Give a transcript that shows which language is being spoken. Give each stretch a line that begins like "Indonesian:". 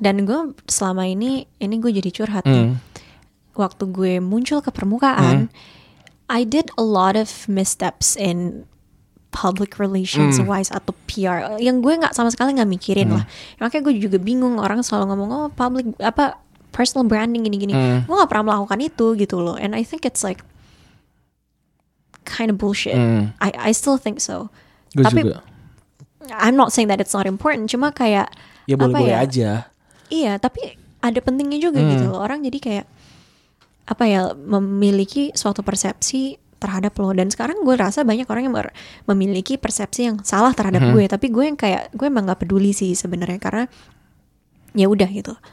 Indonesian: Dan gue selama ini gue jadi curhat waktu gue muncul ke permukaan.
English: I did a lot of missteps in public relations wise
Indonesian: atau PR yang gue nggak sama sekali nggak mikirin lah. Makanya gue juga bingung orang selalu ngomong oh public apa personal branding gini-gini. Gue nggak pernah melakukan itu gitu loh.
English: And I think it's like kind of bullshit. I still think so.
Indonesian: Gue tapi juga.
English: I'm not saying that it's not important.
Indonesian: Cuma kayak ya boleh-boleh ya, aja. Iya tapi ada pentingnya juga gitu loh. Orang jadi kayak apa ya memiliki suatu persepsi terhadap lo. Dan sekarang gue rasa banyak orang yang memiliki persepsi yang salah terhadap gue. Tapi gue yang kayak gue emang gak peduli sih sebenarnya karena ya udah gitu.